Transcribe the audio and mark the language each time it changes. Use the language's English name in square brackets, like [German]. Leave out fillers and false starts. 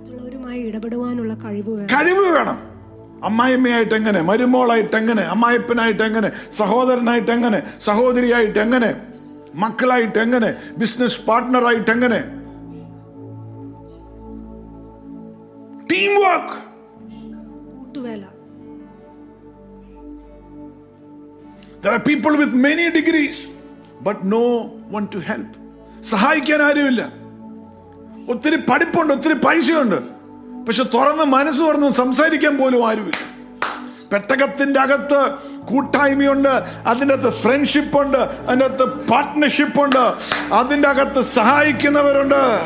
[Malayalam] കഴിവ് വേണം. അമ്മായിമ്മയായിട്ട് എങ്ങനെ, മരുമോളായിട്ട് എങ്ങനെ, അമ്മായിപ്പനായിട്ട് എങ്ങനെ, സഹോദരനായിട്ട് എങ്ങനെ, സഹോദരിയായിട്ട് എങ്ങനെ, മക്കളായിട്ട് എങ്ങനെ, ബിസിനസ് പാർട്ട്ണറായിട്ട് എങ്ങനെ, team work, കൂട്ടുവേല. [English] There are people with many degrees but no one to help. [Malayalam] സഹായിക്കാൻ ആരുമില്ല. ഒത്തിരി പഠിപ്പുണ്ട്, ഒത്തിരി പൈസയുണ്ട്, പക്ഷെ തുറന്ന് മനസ്സ് തുറന്ന് സംസാരിക്കാൻ പോലും ആരുമില്ല. പെട്ടകത്തിന്റെ അകത്ത് കൂട്ടായ്മയുണ്ട്, അതിൻ്റെ അകത്ത് ഫ്രണ്ട്ഷിപ്പ് ഉണ്ട്, അതിൻ്റെ അകത്ത് പാർട്ട്ണർഷിപ്പ് ഉണ്ട്, അതിൻ്റെ അകത്ത് സഹായിക്കുന്നവരുണ്ട്.